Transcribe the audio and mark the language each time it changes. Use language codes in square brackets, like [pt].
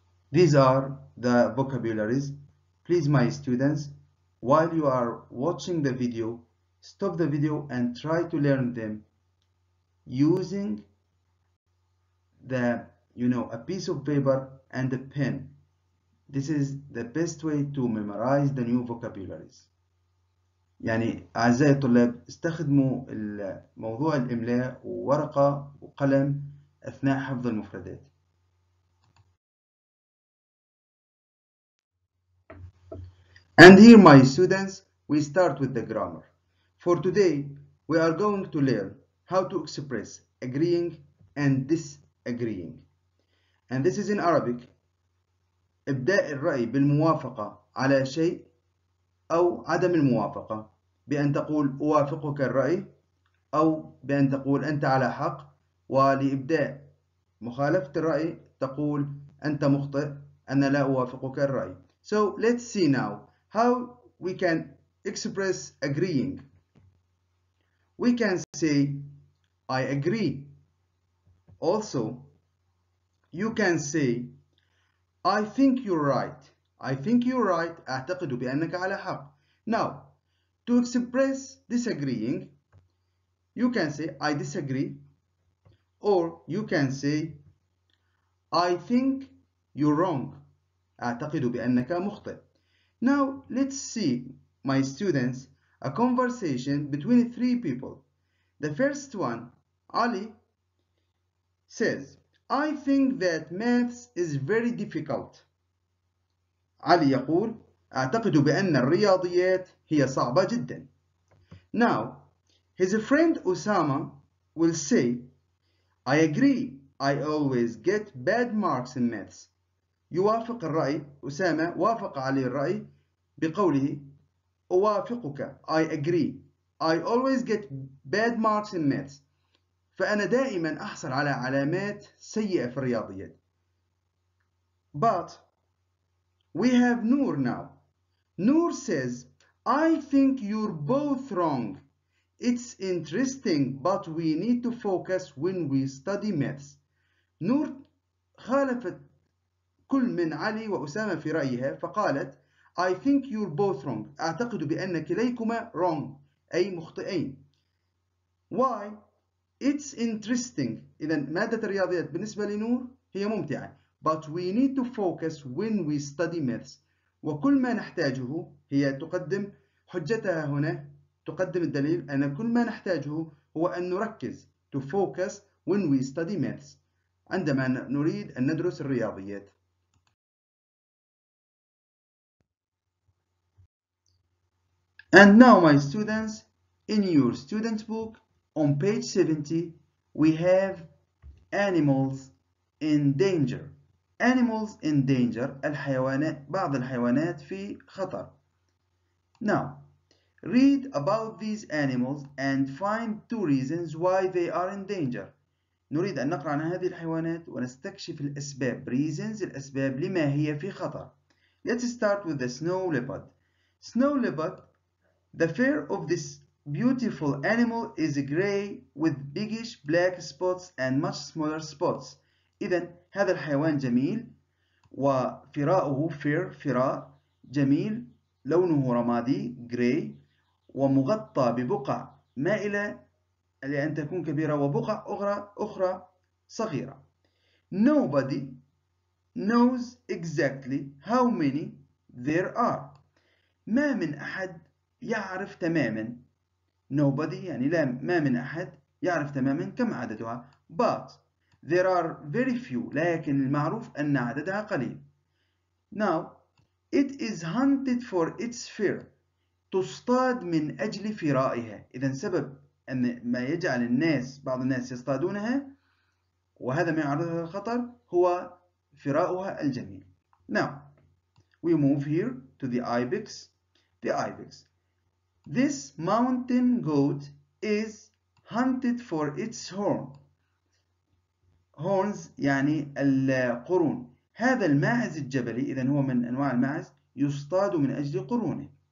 [en] These are the vocabularies. Please, my students, while you are watching the video, stop the video and try to learn them using the, you know, a piece of paper and a pen. This is the best way to memorize the new vocabularies. [ar] يعني أعزائي الطلاب استخدموا موضوع الإملاء وورقة وقلم أثناء حفظ المفردات. [en] And here my students, we start with the grammar. For today, we are going to learn how to express agreeing and disagreeing. And this is in Arabic. [ar] إبداء الرأي بالموافقة على شيء أو عدم الموافقة. بأن تقول أوافقك الرأي أو بأن تقول أنت على حق. ولإبداء مخالفة الرأي تقول أنت مخطئ, أنا لا أوافقك الرأي. [en] So let's see now how we can express agreeing. We can say I agree. Also, you can say I think you're right. I think you're right. [ar] أعتقد بأنك على حق. [en] Now, To express disagreeing, you can say I disagree, or you can say I think you're wrong. [ar] أعتقد بأنك مخطئ. [en] Now let's see, my students, a conversation between three people. The first one, Ali, says, I think that maths is very difficult. [ar] Ali يقول, أعتقد بأن الرياضيات هي صعبة جدا. [en] Now, his friend Osama will say, I agree, I always get bad marks in maths. [ar] يوافق الرأي, أسامة وافق علي الرأي بقوله, أوافقك, [en] I agree, I always get bad marks in maths. [ar] فأنا دائما أحصل على علامات سيئة في الرياضيات. [en] But we have Noor now. Noor says, I think you're both wrong. It's interesting, but we need to focus when we study maths. [ar] Noor خالفت كل من علي وأسامة في رأيها فقالت, [en] I think you're both wrong. [ar] أعتقد بأن كليكما wrong, أي مخطئين. [en] Why? It's interesting. [ar] إذا مادة الرياضيات بالنسبة لنور هي ممتعة. [en] But we need to focus when we study maths. [ar] وكل ما نحتاجه هي تقدم حجتها هنا تقدم الدليل أن كل ما نحتاجه هو أن نركز [en] to focus when we study maths [ar] عندما نريد أن ندرس الرياضيات. [en] And now my students, in your student book on page 70, we have animals in danger. Animals in danger, [ar] الحيوانات, بعض الحيوانات في خطر. [en] Now, read about these animals and find two reasons why they are in danger. [ar] نريد أن نقرأ عن هذه الحيوانات ونستكشف الأسباب. Reasons, الأسباب لما هي في خطر. [en] Let's start with the snow leopard. Snow leopard, the fur of this beautiful animal is gray with biggish black spots and much smaller spots. [ar] إذن هذا الحيوان جميل وفراءه fur, فراء جميل لونه رمادي gray ومغطى ببقع مائلة لأن تكون كبيرة وبقع أخرى صغيرة. [en] Nobody knows exactly how many there are. [ar] ما من أحد يعرف تماما. Nobody يعني لا ما من أحد يعرف تماما كم عددها. [en] But there are very few. [ar] لكن المعروف أن عددها قليل. [en] Now it is hunted for its fur. [ar] تصطاد من أجل فرائها. إذا سبب أن ما يجعل الناس بعض الناس يصطادونها وهذا ما يعرضها للخطر هو فراؤها الجميل. [en] Now we move here to the ibex. The ibex. This mountain goat is hunted for its horn. [ar] Horns يعني القرون. هذا الماعز الجبلي إذا هو من أنواع الماعز يصطاد من أجل قرونه.